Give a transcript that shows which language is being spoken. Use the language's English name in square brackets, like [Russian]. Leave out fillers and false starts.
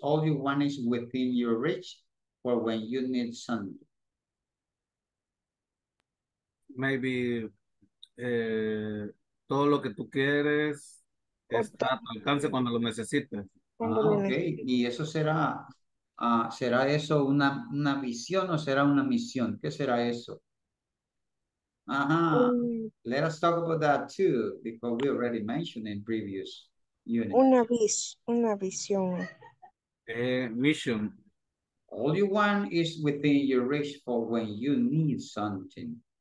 [English] All you want is within your reach for when you need something. [Spanish] Maybe todo lo que tú quieres está a tu alcance cuando lo necesites. Okay, y eso será... ¿Será eso una visión o será una misión? ¿Qué será eso? Ajá. [English] Let us talk about that too, because we already mentioned in previous units. [Spanish] Una visión. [English] Mission. All you want is within your reach for when you need something.